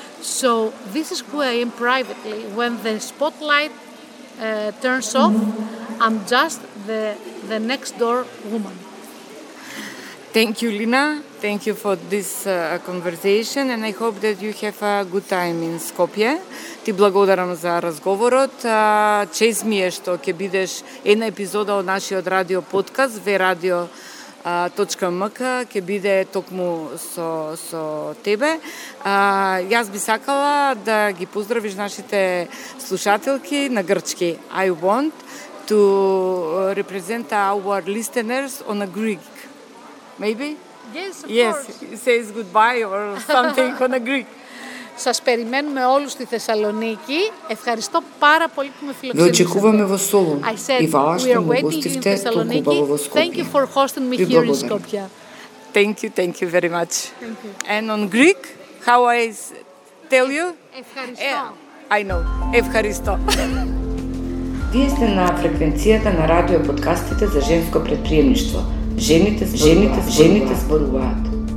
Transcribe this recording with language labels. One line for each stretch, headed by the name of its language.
English: So this is who I am privately. When the spotlight turns off, I'm just the next door woman. Thank you, Lina. Thank you for this conversation and I hope that you have a good time in Skopje.
Macedonian: Ти благодарам за разговорот. Чест ми е што ќе бидеш една епизода од нашиот радио подкаст vradio.mk ќе биде токму со тебе. Јас би сакала да ги поздравиш нашите слушателки на грчки.
English: I want to represent our listeners on a Greek. Maybe? Yes, of course. Yes, says goodbye or something on a Greek.
Greek: Σας περιμένουμε όλους στη Θεσσαλονίκη. Ευχαριστώ πάρα πολύ που με φιλοξενήσατε.
Macedonian: Ви очекуваме во Солун.
English: I said, we are waiting in Thessaloniki. Thank you for hosting me here in Skopje. Thank you very much. Thank you. And on Greek, how I tell you?
Greek: Ευχαριστώ.
English: I know.
Greek: Ευχαριστώ.
Macedonian: Вие сте на фреквенцијата на радио подкастите за женско предприемничество. Жените зборуваат.